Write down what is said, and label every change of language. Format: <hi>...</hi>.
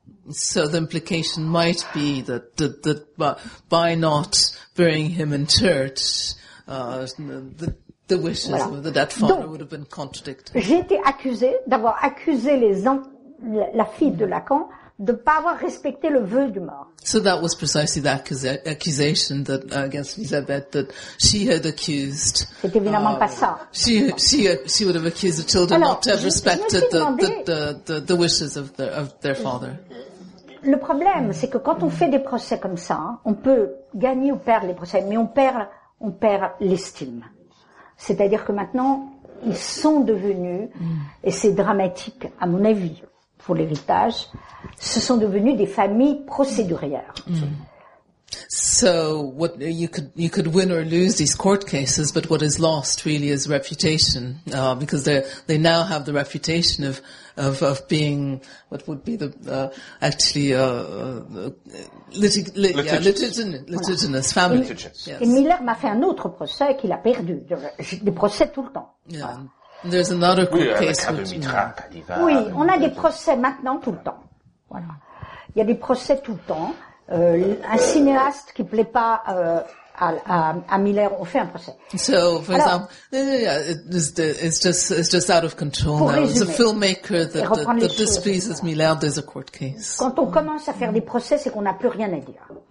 <en>So the implication might be that by not burying him in church, the wishes of the dead father would have been contradicted.</en> <fr>J'ai été accusée d'avoir accusé la fille de Lacan de pas avoir respecté le vœu du mort.</fr> <en>So that was precisely the accusation that against Elizabeth that she had accused.</en> <fr>C'est évidemment pas ça.</fr> <en>She would have accused the children not to have respected the wishes of their father.</en> <fr>Le problème, c'est que quand on fait des procès comme ça, on peut gagner ou perdre les procès, mais on perd l'estime. C'est-à-dire que maintenant, ils sont devenus, et c'est dramatique à mon avis pour l'héritage, ce sont devenus des familles procédurières.</fr> <en>So what you could win or lose these court cases, but what is lost really is reputation, because they now have the reputation of being what would be litigious family.</en> <fr>Et Miller m'a fait un autre procès qu'il a perdu, des procès tout le temps.</fr> <en>Yeah. Ah. There's another court case.</en> <fr>Oui, on a des procès maintenant tout le temps. Voilà. Il y a des procès tout le temps. Un cinéaste qui plaît pas à Miller, on fait un procès.</fr> <en>So, for Alors, example, it's just out of control now.</en> <fr>Résumer,</fr> <en>it's a filmmaker that displeases Miller, there's a court case.</en> <fr>Quand on commence à faire des procès, c'est qu'on n'a plus rien à dire.</fr>